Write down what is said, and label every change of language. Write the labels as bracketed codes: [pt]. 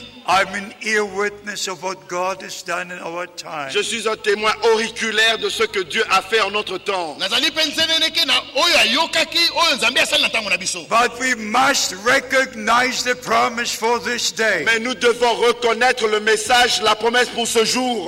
[en] I'm an ear witness of what God has done in our time. [fr] Je suis un témoin auriculaire de ce que Dieu a fait en notre temps. [en] But we must recognize the promise for this day. [fr] Mais nous devons reconnaître le message, la promesse pour ce jour.